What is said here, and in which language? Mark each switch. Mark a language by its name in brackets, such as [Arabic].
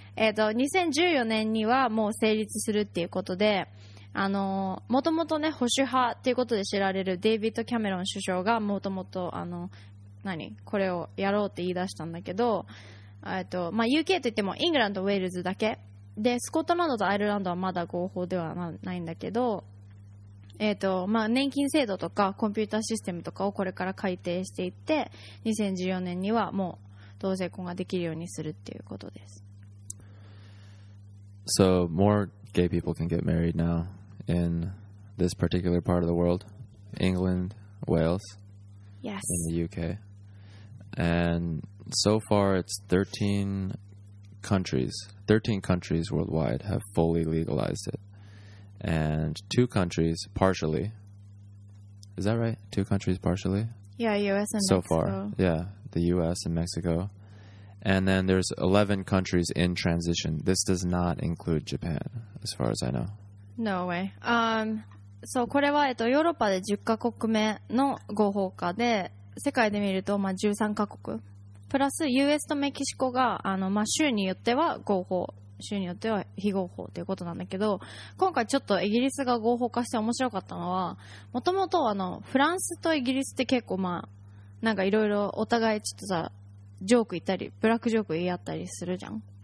[Japanese] 2014年にはもう成立するっていうことで、もともとね、保守派っていうことで知られるデイビッド・キャメロン首相がもともと、これをやろうって言い出したんだけど、まあ、UK といってもイングランド、ウェールズだけ。で、スコットランドとアイルランドはまだ合法ではないんだけど、まあ、年金制度とかコンピューターシステムとかをこれから改定していって、2014年にはもう同性婚ができるようにするっていうことです。 [English] So, more gay people can get married now in this particular part of the world, England, Wales, yes, in the UK. And so far it's 13 countries, 13 countries worldwide have fully legalized it. And two countries partially. Is that right? Two countries partially? Yeah, US and so Mexico. Far. Yeah, the US and Mexico. And then there's 11 countries in transition. This does not include Japan, as far as I know. No way. [Japanese] So, これは、ヨーロッパで10カ国目の合法化で、世界で見ると、まあ、13カ国。プラス、US とメキシコが、まあ、州によっては合法、州によっては非合法ということなんだけど、今回ちょっとイギリスが合法化して面白かったのは、もともと、フランスとイギリスって結構、まあ、なんかいろいろお互いちょっとさ、ジョーク言ったりブラックジョーク言い合ったりするじゃん。